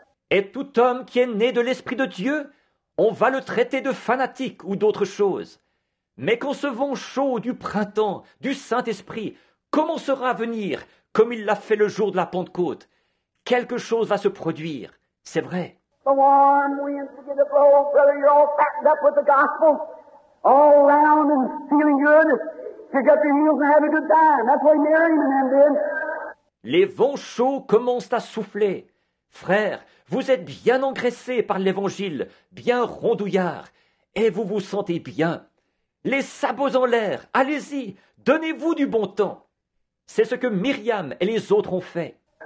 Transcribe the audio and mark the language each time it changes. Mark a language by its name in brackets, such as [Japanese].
[French] Et tout homme qui est né de l'Esprit de Dieu, on va le traiter de fanatique ou d'autre chose. Mais quand ce vent chaud du printemps, du Saint-Esprit, commencera à venir, comme il l'a fait le jour de la Pentecôte, quelque chose va se produire. C'est vrai. [English] The warm winds begin to blow, brother, you're all fattened up with the gospel. All round and feeling good. Pick up your heels and have a good time. That's what Mary and them did. [French] Les vents chauds commencent à souffler. Frère, vous êtes bien engraissé par l'Évangile, bien rondouillard, et vous vous sentez bien. Les sabots en l'air, allez-y, donnez-vous du bon temps. C'est ce que Myriam et les autres ont fait.